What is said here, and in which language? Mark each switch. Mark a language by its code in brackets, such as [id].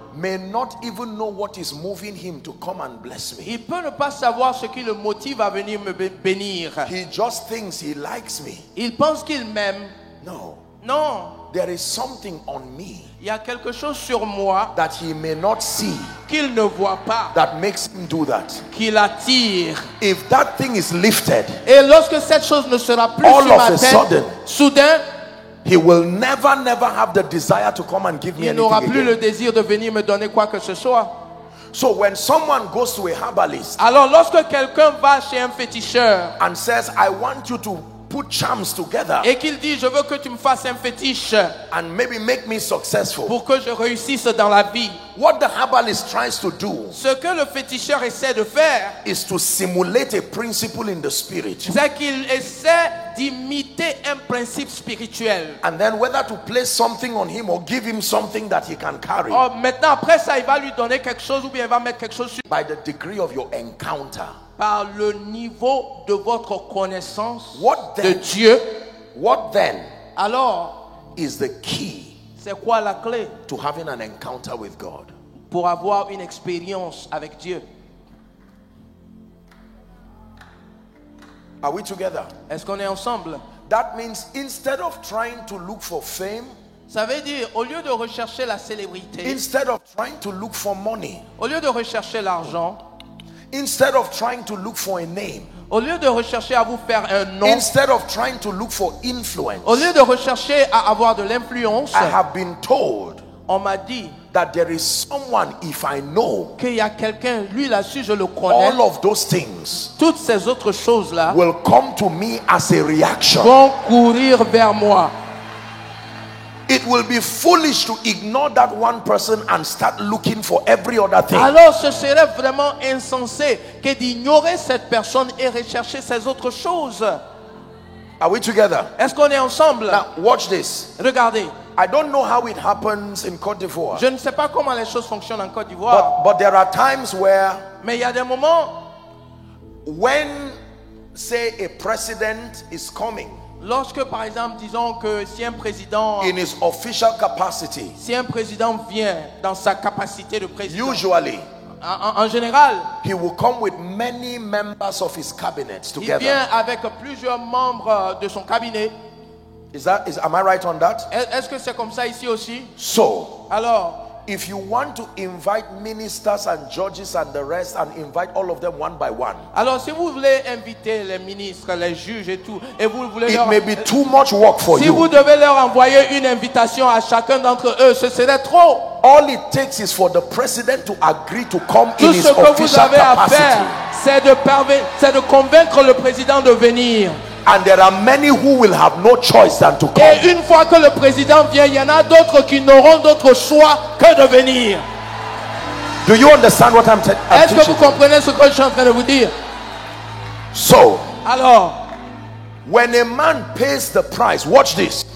[en] may not even know what is moving him to come and bless me. [fr] Il peut ne pas savoir ce qui le motive à venir me bénir. [en] He just thinks he likes me. [fr] Il pense qu'il m'aime. [en] No. [fr] Non. [en] there is something on me. [fr] Il y a quelque chose sur moi [en] that he may not see, [fr] qu'il ne voit pas, [en] that makes him do that. [fr] Qu'il attire. [en] If that thing is lifted, [fr] et lorsque cette chose ne sera plus [en] all [fr] sur [en] of [fr] ma [en] a [fr] tête, [en] sudden, [fr] soudain, [en] he will never have the desire to come and give me anything. [fr] Il n'aura plus [en] again. [fr] Le désir de venir me donner quoi que ce soit. [en] So when someone goes to a herbalist, [fr] alors lorsque quelqu'un va chez un féticheur, [en] and says, "I want you to put charms together," [fr] et qu'il dit, "Je veux que tu me fasses un fétiche," [en] and maybe make me successful, [fr] pour que je réussisse dans la vie. [en] What the herbalist tries to do, [fr] ce que le féticheur essaie de faire, [en] is to simulate a principle in the spirit. [fr] C'est qu'il essaie d'imiter un principe spirituel. [en] And then whether to place something on him or give him something that he can carry. [fr] Oh, maintenant après ça, il va lui donner quelque chose ou bien il va mettre quelque chose sur. [en] By the degree of your encounter. [fr] Par le niveau de votre connaissance [en] what then, [fr] de Dieu. [en] What then? [fr] Alors, [en] is the key. [fr] C'est quoi la clé? [en] To having an encounter with God. [fr] Pour avoir une expérience avec Dieu. [en] Are we together? [fr] Est-ce qu'on est ensemble? [en] That means instead of trying to look for fame, [fr] ça veut dire au lieu de rechercher la célébrité, [en] instead of trying to look for money, [fr] au lieu de rechercher l'argent, [en] instead of trying to look for a name, [fr] au lieu de rechercher à vous faire un nom, [en] instead of trying to look for influence, [fr] au lieu de rechercher à avoir de l'influence, [en] I have been told, [fr] on m'a dit, [en] that there is someone, if I know, [fr] qu'il y a quelqu'un, lui là-dessus, je le connais, [en] all of those things, [fr] toutes ces autres choses-là, [en] will come to me as a reaction, [fr] vont courir vers moi. [en] It will be foolish to ignore that one person and start looking for every other thing. [fr] Alors ce serait vraiment insensé que d'ignorer cette personne et rechercher ces autres choses. [en] Are we together? [fr] Est-ce qu'on est ensemble? [en] Now, watch this. [fr] Regardez. [en] I don't know how it happens in Côte d'Ivoire. [fr] Je ne sais pas comment les choses fonctionnent en Côte d'Ivoire. [en] But there are times where, [fr] mais il y a des moments, [en] when say a president is coming, [fr] lorsque par exemple disons que si un président, [en] in his official capacity, [fr] si un président vient dans sa capacité de président, [en] usually, [fr] en général, [en] he will come with many members of his cabinet together. [fr] Il vient avec plusieurs membres de son cabinet. [en] Am I right on that? [fr] Est-ce que c'est comme ça ici aussi? [en] So, [fr] alors, [en] if you want to invite ministers and judges and the rest and invite all of them one by one, [fr] alors si vous voulez inviter les ministres, les juges et tout, et vous voulez [en] it [fr] leur, [en] may be too much work for [fr] si [en] you. [fr] Si vous devez leur envoyer une invitation à chacun d'entre eux, ce serait trop. [en] All it takes is for the president to agree to come [fr] tout [en] in his official capacity. [fr] Tout ce que vous avez à faire, c'est de convaincre le président de venir. [en] And there are many who will have no choice than to come. [fr] Et une fois que le président vient, il y en a d'autres qui n'auront d'autre choix que de venir. [en] Do you understand what I'm teaching? [fr] Est-ce que vous comprenez ce que je suis en train de vous dire? [en] So, [fr] alors, [en] when a man pays the price, watch this.